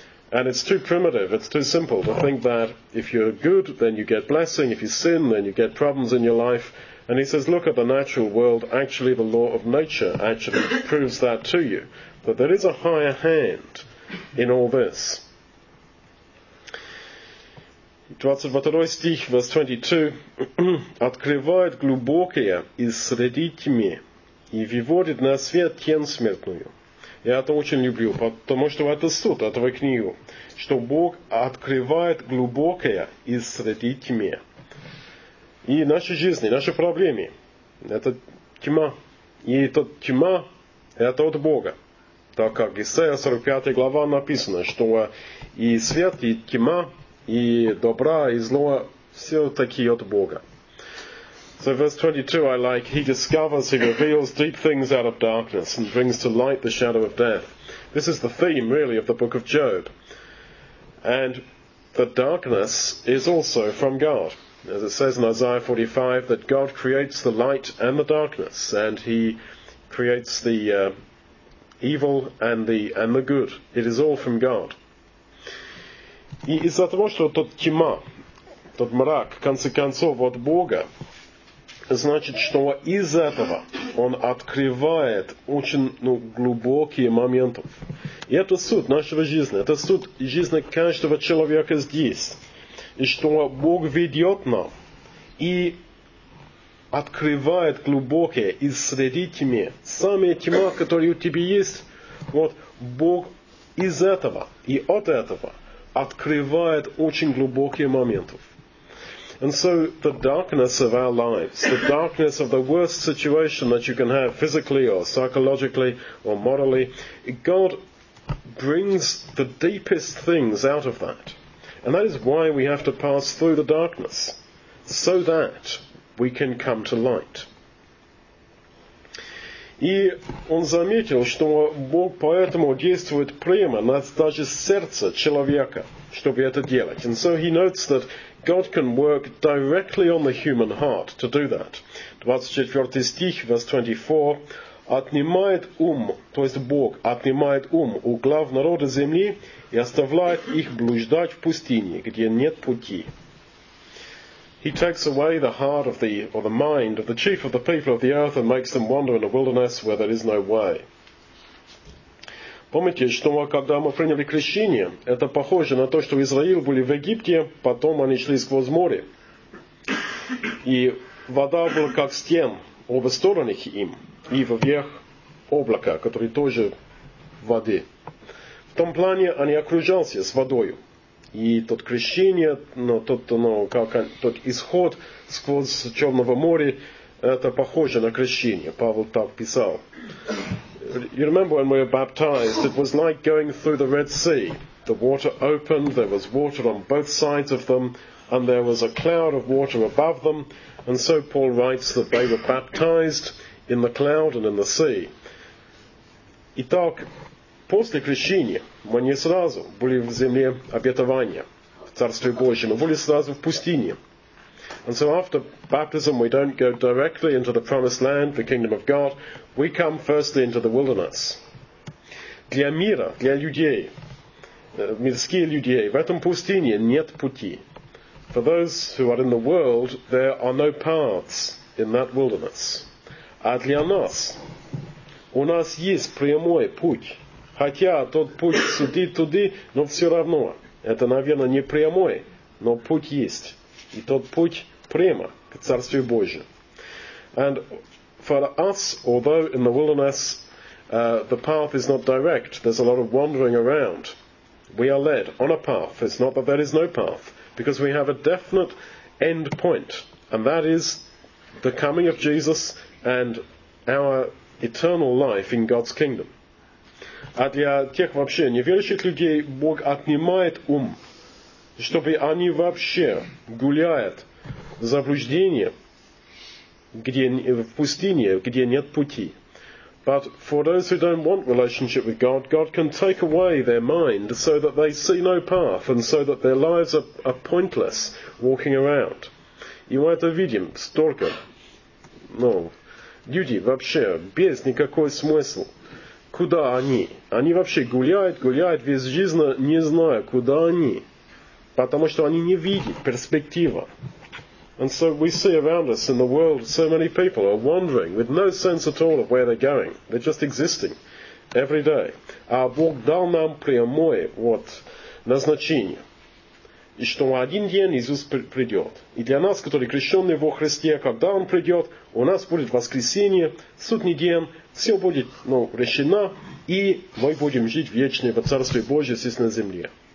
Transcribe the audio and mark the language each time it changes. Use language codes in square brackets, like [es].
[en] And it's too primitive, it's too simple to think that if you're good, then you get blessing, if you sin, then you get problems in your life. And he says, look at the natural world, actually the law of nature actually proves that to you, that there is a higher hand in all this. [ru] 22 стих, [en] verse 22, [ru] «Открывает глубокое из среди тьмы и выводит на свет тень смертную». Я это очень люблю, потому что это суд этого книги, что Бог открывает глубокое из среди тьмы. И наши жизни, наши проблемы – это тьма. И эта тьма – это от Бога. Так как Исаия 45 глава написано, что и свет, и тьма – и добра, и зло все-таки от Бога. [en] So verse 22 I like. He discovers, he reveals deep things out of darkness and brings to light the shadow of death. This is the theme, really, of the book of Job. And the darkness is also from God. As it says in Isaiah 45, that God creates the light and the darkness, and he creates the evil and the good. It is all from God. [ru] И из-за того, что тот тьма, тот мрак, в конце концов, от Бога, значит, что из этого он открывает очень, ну, глубокие моменты. И это суть нашего жизни, это суть жизни каждого человека здесь. И что Бог ведет нам и открывает глубокие из среди тьмы. Самая тьма, которая у тебя есть, вот Бог из этого и от этого открывает очень глубокие моменты. [en] And so the darkness of our lives, the darkness of the worst situation that you can have physically or psychologically or morally, God brings the deepest things out of that. And that is why we have to pass through the darkness, so that we can come to light. [ru] И он заметил, что Бог поэтому действует прямо на даже сердце человека, чтобы это делать. [en] And so he notes that God can work directly on the human heart to do that. [ru] 24 стих, [en] verse 24, [ru] отнимает ум, то есть Бог отнимает ум у глав народа земли и оставляет их блуждать в пустыне, где нет пути. [en] He takes away the heart of the, or the mind of the chief of the people of the earth and makes them wander in a wilderness where there is no way. [ru] Помните, что когда мы приняли крещение, это похоже на то, что Израиль были в Египте, потом они шли сквозь море. И вода была как стен обе стороны им, и вверх облака, которые тоже воды. В том плане они окружались с водою. И тот крещение, но тот, ну, как, тот исход сквозь Черного моря, это похоже на крещение. Павел так писал. [en] You remember when we were baptized, it was like going through the Red Sea. The water opened, there was water on both sides of them, and there was a cloud of water above them. And so Paul writes that they were baptized in the cloud and in the sea. [ru] Итак, после крещения мы не сразу были в земле обетования, в Царстве Божьем, мы были сразу в пустыне. [en] And so after baptism we don't go directly into the promised land, the kingdom of God, we come firstly into the wilderness. [ru] Для мира, для людей, мирские люди, в этом пустыне нет пути. [en] For those who are in the world, there are no paths in that wilderness. [ru] А для нас, у нас есть прямой путь. Хотя тот путь сюда-туда, но все равно Это, наверное, не прямой, но путь есть. И тот путь прямо к Царствию Божьему. [en] And for us, although in the wilderness the path is not direct, there's a lot of wandering around, we are led on a path. It's not that there is no path, because we have a definite end point, and that is the coming of Jesus and our eternal life in God's kingdom. [ru] А для тех вообще неверующих людей Бог отнимает ум, чтобы они вообще гуляют в заблуждение, где, в пустыне, где нет пути. [en] But for those who don't want relationship with God, God can take away their mind so that they see no path and so that their lives are pointless walking around. [ru] И мы это видим столько. Ну, люди вообще без никакого смысла. Куда они? Они вообще гуляют, гуляют весь жизнь, не зная, куда они. Потому что они не видят перспективы. [en] And so we see around us in the world so many people are wandering with no sense at all of where they're going. They're just existing every day. [ru] А Бог дал нам прямое вот назначение. И что один день Иисус придет. И для нас, которые крещенные во Христе, когда Он придет, у нас будет воскресенье, судный день, все будет, ну, решено, и мы будем жить вечно во Царстве Божьем здесь на земле.